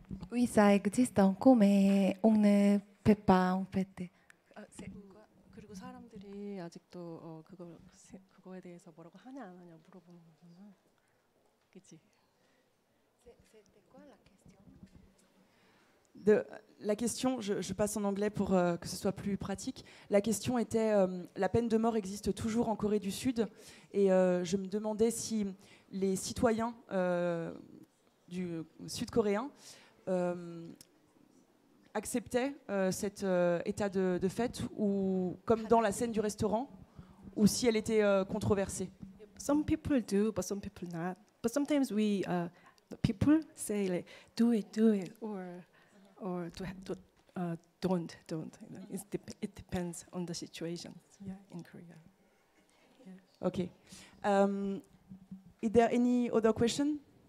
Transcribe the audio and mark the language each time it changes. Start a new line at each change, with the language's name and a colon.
French: Oui, ça existe encore, mais on ne peut pas en fait.
Korean: 그리고 사람들이 아직도 그거에 대해서 뭐라고 하냐 안 하냐 물어보는 거잖아. 그치?
French: La question, je passe en anglais pour que ce soit plus pratique. La question était, la peine de mort existe toujours en Corée du Sud, et je me demandais si les citoyens du Sud-Coréen acceptaient cet état de fait, ou comme dans la scène du restaurant, ou si elle était controversée.
English: Some people do, but some people not. But sometimes we, people say like, do it, or don't. It depends on the situation in Korea. Yeah. Okay. Is there any other question?